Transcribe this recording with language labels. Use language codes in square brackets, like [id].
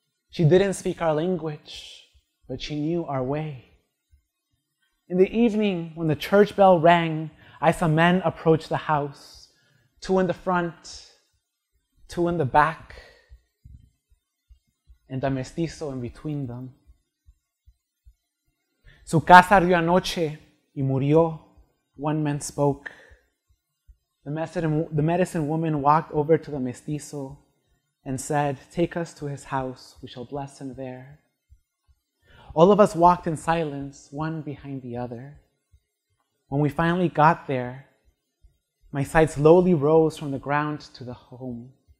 [en] She didn't speak our language, but she knew our way. In the evening, when the church bell rang, I saw men approach the house, two in the front, two in the back, and a mestizo in between them. [es] Su casa ardió anoche y murió, [en] one man spoke. The medicine woman walked over to the mestizo and said, "Take us to his house, we shall bless him there." All of us walked in silence, one behind the other. When we finally got there, my sight slowly rose from the ground to the home.